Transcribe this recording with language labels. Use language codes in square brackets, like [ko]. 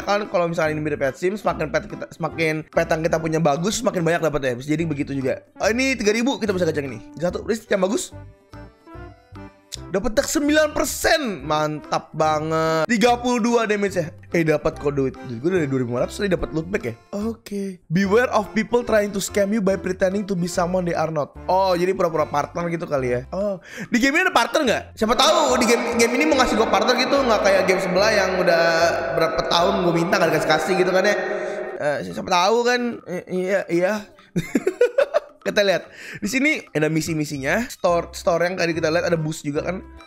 [id] Kan kalau misalnya ini mirip pet sim, semakin pet yang kita punya bagus, semakin banyak dapetnya. Bisa jadi begitu juga. Ini 3000, kita bisa gacha ini. Satu, please, yang bagus. Dapat tak 9%. Mantap banget. 32 damage ya. Dapat kok duit. Gue dari 2500 tadi dapat loot back ya. Oke. [en] Beware of people trying to scam you by pretending to be someone they are not. [id] Oh, jadi pura-pura partner gitu kali ya. Oh, di game ini ada partner enggak? Siapa tahu di game ini mau ngasih gue partner gitu, enggak kayak game sebelah yang udah berapa tahun gue minta enggak dikasih gitu kan ya. Siapa tahu kan. Iya. Kita lihat di sini ada misi-misinya, store yang tadi kita lihat ada bus juga kan.